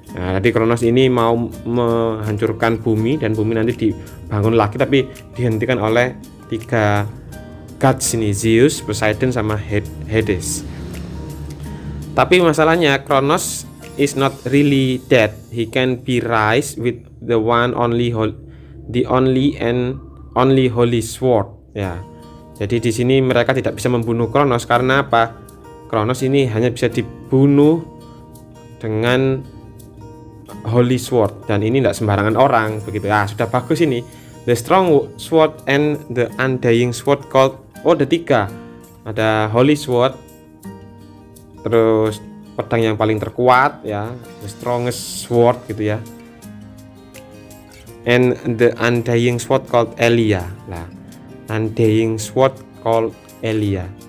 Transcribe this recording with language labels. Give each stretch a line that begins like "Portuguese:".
Indonesian: Nah, jadi Kronos ini mau menghancurkan bumi dan bumi nanti dibangun lagi tapi dihentikan oleh tiga gods ini, Zeus, Poseidon, sama Hades. Tapi masalahnya
English: Kronos is not really dead. He can be raised with the only holy sword.
Indonesian: Ya. Jadi di sini mereka tidak bisa membunuh Kronos karena apa? Kronos ini hanya bisa dibunuh dengan holy sword dan ini tidak sembarangan orang begitu. Ah sudah bagus ini.
English: The strong sword and the undying sword called the tiga. Ada holy sword.
Indonesian: Terus pedang yang paling terkuat ya,
English: the strongest sword gitu ya, and the undying sword called Elia lah, undying sword called Elia.